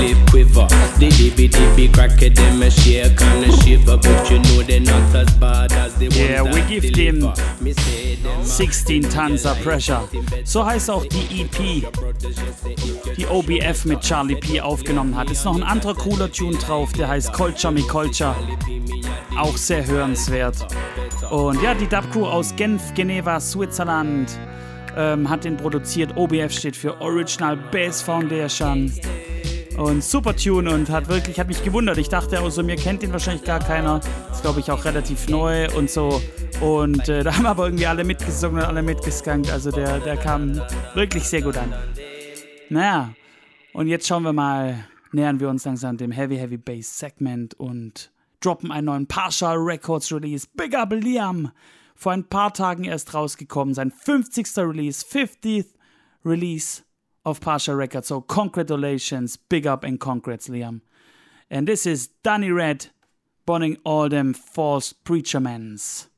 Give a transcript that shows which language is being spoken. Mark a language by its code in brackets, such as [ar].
[en] them a shake and a shiver, but you know they're not as bad as they were. Yeah, we give them 16 tons of pressure. [de] So heißt auch die EP, die OBF mit Charlie P aufgenommen hat. Ist noch ein anderer cooler Tune drauf, der heißt Culture Me Culture. Auch sehr hörenswert. Und ja, die Dub-Crew aus Genf, Geneva, Switzerland hat den produziert. OBF steht für Original Bass Foundation. Und super Tune und hat wirklich, hat mich gewundert. Ich dachte, also mir kennt den wahrscheinlich gar keiner. Ist, glaube ich, auch relativ neu und so. Und da haben aber irgendwie alle mitgesungen und alle mitgeskankt. Also der kam wirklich sehr gut an. Naja, und jetzt schauen wir mal, nähern wir uns langsam dem Heavy Heavy Bass Segment und droppen einen neuen Partial Records Release. Big up Liam! Vor ein paar Tagen erst rausgekommen, sein 50. [en] Release, 50th Release of Partial Records. So congratulations, big up and congrats, Liam. And this is Danny Red, burning all them false preacher mans.